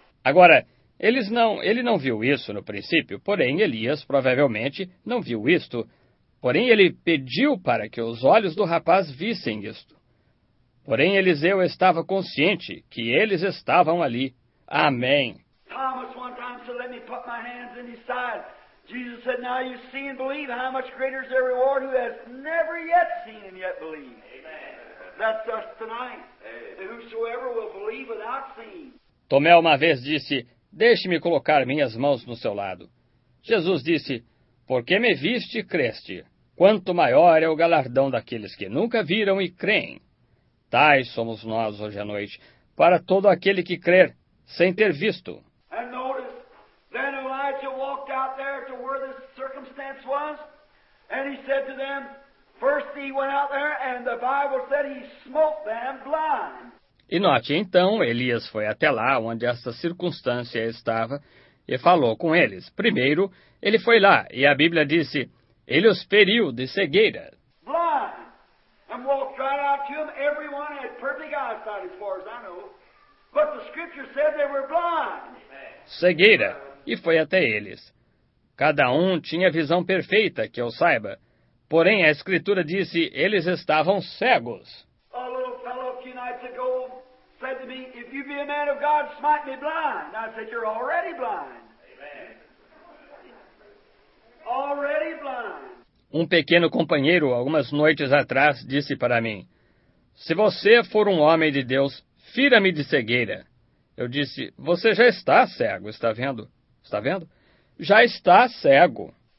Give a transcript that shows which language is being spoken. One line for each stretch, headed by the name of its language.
Portuguese: Agora, ele não viu isso no princípio, porém Elias provavelmente não viu isto. Porém, ele pediu para que os olhos do rapaz vissem isto. Porém, Eliseu estava consciente que eles estavam ali. Amém.
English: Thomas one time said, let me put my hands in his side. Jesus said, now you see and believe. How much greater is the reward who has never yet seen and yet believed. Amen. That's us tonight. And whosoever will believe without seeing.
Portuguese: Tomé uma vez disse, deixe-me colocar minhas mãos no seu lado. Jesus disse, porque me viste e creste. Quanto maior é o galardão daqueles que nunca viram e creem. Tais somos nós hoje à noite, para todo aquele que crer, sem ter visto.
English: And notice, then Elijah walked out there to where the circumstance was, and he said to them, first he went out there, and the Bible said he smote them blind.
Portuguese: E note, então, Elias foi até lá onde esta circunstância estava e falou com eles. Primeiro, ele foi lá, e a Bíblia disse, ele os feriu de cegueira.
English: Blind. And walked right out to him. Everyone had perfect eyesight as far as I know. But the scripture said they were blind.
Portuguese: Cegueira. E foi até eles. Cada um tinha visão perfeita, que eu saiba. Porém, a escritura disse, eles estavam cegos.
English: A little fellow a few nights ago said to me, if you be a man of God, smite me blind. I said, you're already blind. Amen. Already blind.
Portuguese: Um pequeno companheiro, algumas noites atrás, disse para mim, se você for um homem de Deus, fira-me de cegueira. Eu disse, você já está cego, está vendo? Está vendo? Já está cego.